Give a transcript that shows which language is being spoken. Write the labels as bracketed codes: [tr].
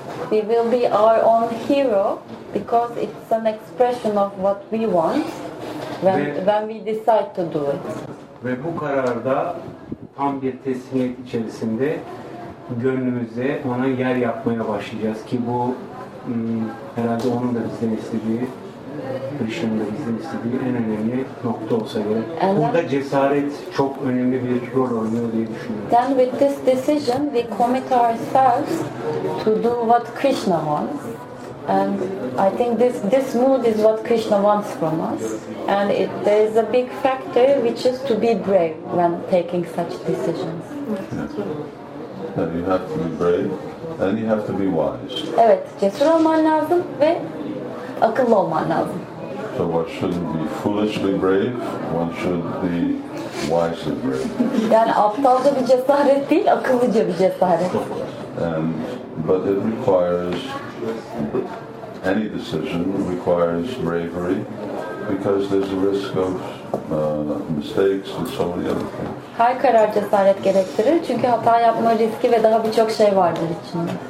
[en] We will be our own hero because it's an expression of what we want when we decide to do it. [tr] Ve bu kararda tam bir teslimiyet içerisinde gönlümüze ona yer yapmaya başlayacağız ki bu herhalde onun da bizden istediği, Krishna'nın da bizden istediği en önemli nokta olsa gerek. And burada then, cesaret çok önemli bir rol oynuyor diye düşünüyorum. [en] Then with this decision we commit ourselves to do what Krishna wants. And I think this mood is what Krishna wants from us. And there is a big factor which is to be brave when taking such decisions. Yeah. And you have to be brave and you have to be wise. [tr] Evet, cesur olman lazım ve akıllı olman lazım. [en] So one shouldn't be foolishly brave, one should be wisely brave. [tr] Yani aptalca bir cesaret değil, akıllıca bir cesaret. [en] And but it requires any decision requires bravery, because there's a risk of mistakes and so many other things. [tr] Her karar cesaret gerektirir, çünkü hata yapma riski ve daha birçok şey vardır içinde.